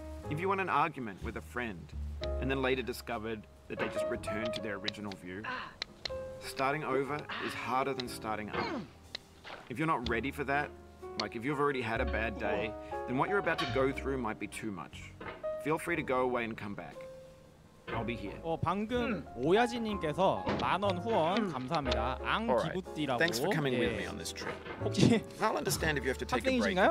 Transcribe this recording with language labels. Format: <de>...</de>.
<en>If you won an argument with a friend and then later discovered that they just returned to their original view, starting over is harder than starting up. If you're not ready for that, like if you've already had a bad day, then what you're about to go through might be too much. Feel free to go away and come back. I'll be here.</en> <ko>방금 오야지 님께서 만 원 후원 감사합니다. 앙 기부띠라고.</ko> <en>Thanks for coming with me on this trip. I'll understand if you have to take a break.</en>